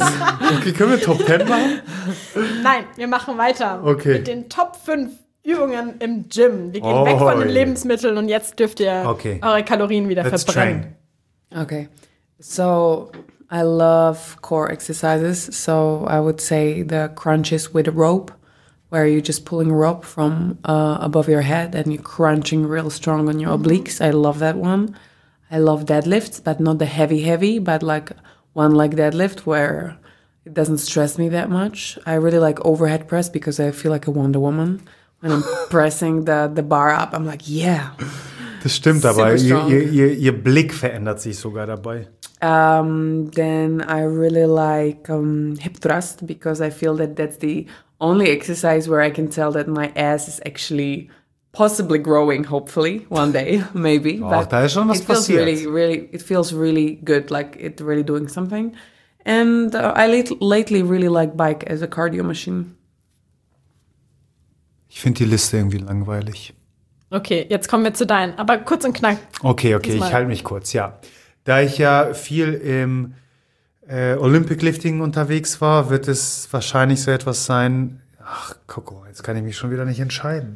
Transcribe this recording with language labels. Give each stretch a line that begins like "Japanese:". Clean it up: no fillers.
German: Okay, können wir Top 10 machen? Nein, wir machen weiter. Okay. Mit den Top 5 Übungen im Gym. Wir gehen weg von den Lebensmitteln und jetzt dürft ihr eure Kalorien wieder
English: Let's
German: verbrennen.
English: Train. Okay. So, I love core exercises. So, I would say the crunches with a rope. Where you're just pulling rope from above your head and you're crunching real strong on your obliques. I love that one. I love deadlifts, but not the heavy, but like one leg deadlift where it doesn't stress me that much. I really like overhead press because I feel like a Wonder Woman And I'm pressing the bar up. I'm like, yeah.
German: Das stimmt dabei. Ihr Blick verändert sich sogar dabei.
English: Then I really like hip thrust because I feel that that's the only exercise where I can tell that my ass is actually possibly growing, hopefully, one day, maybe.
German: Oh, da ist schon was passiert.
English: It feels really good, like it really doing something. And I lately really like bike as a cardio machine.
German: Ich finde die Liste irgendwie langweilig. Okay, jetzt kommen wir zu deinen, aber kurz und knack. Okay, ich halte mich kurz, ja. Da ich ja viel im Olympic Lifting unterwegs war, wird es wahrscheinlich so etwas sein. Ach, guck mal, jetzt kann ich mich schon wieder nicht entscheiden.